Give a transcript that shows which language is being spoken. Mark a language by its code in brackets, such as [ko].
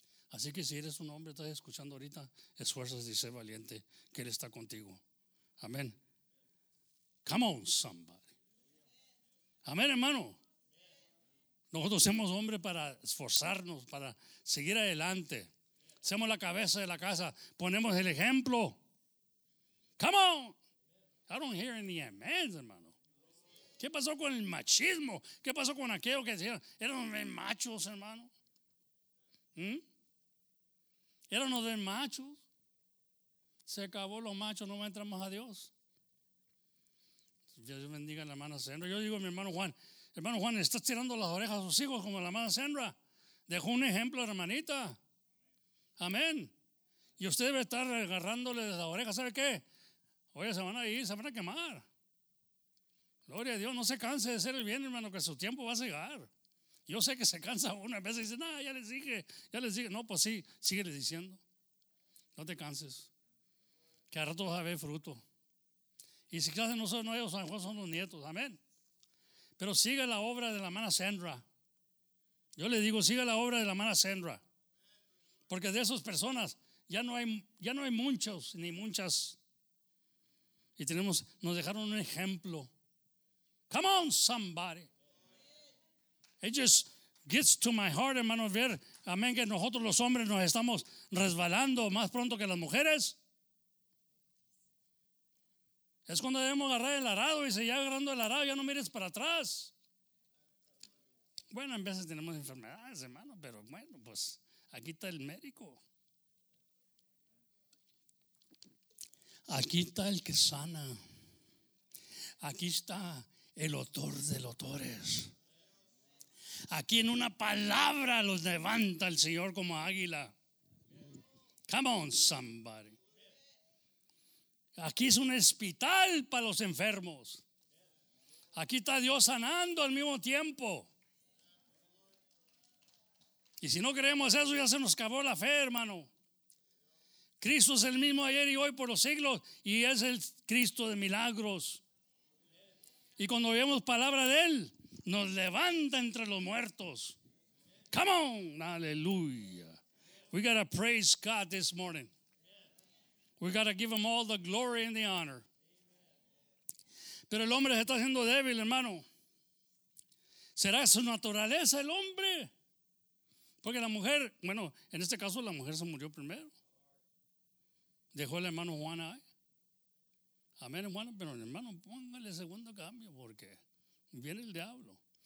[es] Así que si eres un hombre, estás escuchando ahorita, esfuérzate y sé valiente, que Él está contigo. Amén. [en] Come on, somebody. [es] Amén, hermano. Nosotros somos hombres para esforzarnos, para seguir adelante. Somos la cabeza de la casa, ponemos el ejemplo. [en] Come on. I don't hear any amens, hermano. [es] ¿Qué pasó con el machismo? ¿Qué pasó con aquello que decían? Eran de machos, hermano. Eran los de machos. Se acabó los machos, no entramos a Dios. Dios bendiga a la hermana Sandra. Yo digo a mi hermano Juan, hermano Juan, estás tirando las orejas a sus hijos como la hermana Sandra. Dejó un ejemplo, hermanita. Amén. Y usted debe estar agarrándole de la oreja. ¿Sabe qué? Oye, se van a ir, se van a quemar. Gloria a Dios, no se canse de hacer el bien, hermano, que su tiempo va a llegar. Yo sé que se cansa una vez y dice, no, ya les dije. No, pues sí, síguele diciendo. No te canses. Que a rato vas a ver fruto. Y si quizás no son ellos, San Juan son los nietos, amén. Pero siga la obra de la hermana Sandra. Yo le digo, siga la obra de la hermana Sandra. Porque de esas personas ya no hay muchos ni muchas. Y tenemos, nos dejaron un ejemplo. [en] Come on, somebody. It just gets to my heart, hermano, ver [es] Amén, que nosotros los hombres nos estamos resbalando más pronto que las mujeres. Es cuando debemos agarrar el arado y se ya agarrando el arado, ya no mires para atrás. Bueno, en veces tenemos enfermedades, hermano, pero bueno, pues aquí está el médico. Aquí está el que sana. Aquí está el autor de los autores. Aquí en una palabra los levanta el Señor como águila. [en] Come on, somebody. [es] Aquí es un hospital para los enfermos. Aquí está Dios sanando al mismo tiempo. Y si no creemos eso, ya se nos acabó la fe, hermano. Cristo es el mismo ayer y hoy por los siglos, y es el Cristo de milagros. Y cuando oímos palabra de Él, nos levanta entre los muertos. [en] Come on, aleluya. We gotta praise God this morning. We gotta give him all the glory and the honor. [es] Pero el hombre se está haciendo débil, hermano. ¿Será su naturaleza el hombre? Porque la mujer, bueno, en este caso la mujer se murió primero. Dejó el hermano Juan ahí. Amén, hermano, pero el hermano, póngale segundo cambio porque viene el diablo.